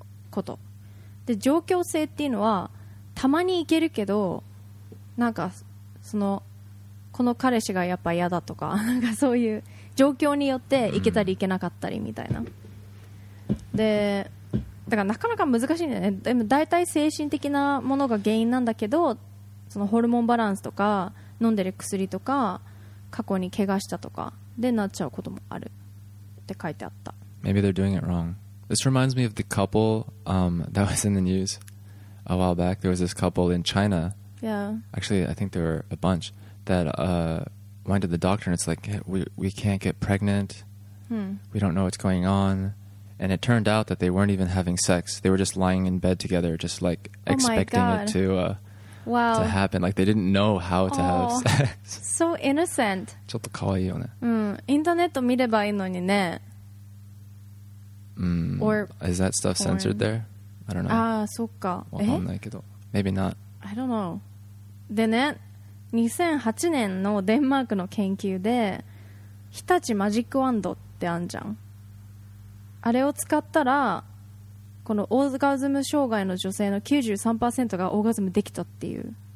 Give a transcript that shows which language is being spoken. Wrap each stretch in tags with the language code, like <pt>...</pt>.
<ja>ことで、状況性っていうのはたまにいけるけどなんかそのこの彼氏がやっぱ嫌だとか、 なんかそういう状況によって行けたり行けなかったりみたいな、でだからなかなか難しいんだよね。でも大体精神的なものが原因なんだけど、そのホルモンバランスとか飲んでる薬とか過去に怪我したとかでなっちゃうこともあるって書いてあった。</ja> <en>Maybe they're doing it wrong. This reminds me of the couple that was in the news a while back. There was this couple in China. Yeah. Actually, I think there were a bunchthat went to the doctor and it's like, hey, we can't get pregnant. We don't know what's going on. And it turned out that they weren't even having sex. They were just lying in bed together, just like expecting it to happen. Like they didn't know how to have sex. So innocent.</en> <ja>ちょっと可愛いよね。インターネット見ればいいのにね。</ja> <en>Or is that stuff censored there? I don't know.</en> <ja>ああ、そっか。わかんないけど。</ja> <en>Maybe not. I don't know.</en> <ja>でね、2008年のデンマークの研究で日立マジックワンドってあんじゃん、あれを使ったらこのオーガズム障害の女性の 93% がオーガズムできたっていう。</ja>